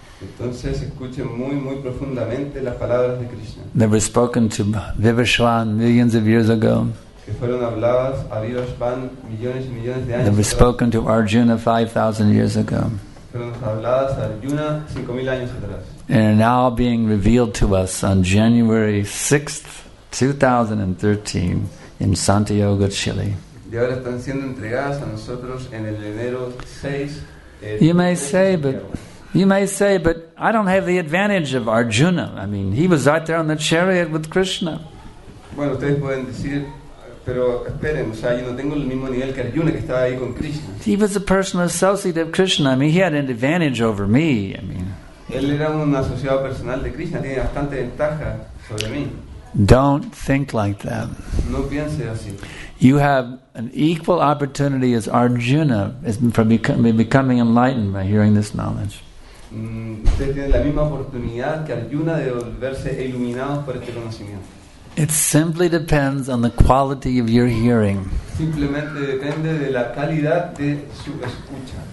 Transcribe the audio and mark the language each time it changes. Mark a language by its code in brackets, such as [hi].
[es] Entonces, escuchen muy, muy profundamente las palabras de Krishna. [en] They were spoken to Vivishvan millions of years ago. [es] Que fueron habladas a Vivishvan millones y millones de años. [en] They were spoken to Arjuna 5,000 years ago. [es] Fueron habladas a Arjuna 5,000 años atrás. [en] And are now being revealed to us on January 6th, 2013 in Santiago, Chile. [es] Y ahora están siendo entregadas a nosotros en el enero 6. [en] You may say, but I don't have the advantage of Arjuna. I mean, he was out there on the chariot with Krishna. [es] Bueno, ustedes pueden decir, pero esperen, o sea, yo no tengo el mismo nivel que Arjuna que estaba ahí con Krishna. [en] He was a personal associate of Krishna. I mean, he had an advantage over me. I mean, [es] él era un asociado personal de Krishna, tiene bastante ventaja sobre mí. [en] Don't think like that. [es] No piense así. [en] You have an equal opportunity as Arjuna for becoming enlightened by hearing this knowledge. [es] Usted tiene la misma oportunidad que Arjuna de volverse iluminado por este conocimiento. [en] It simply depends on the quality of your hearing. [es] Simplemente depende de la calidad de su escucha.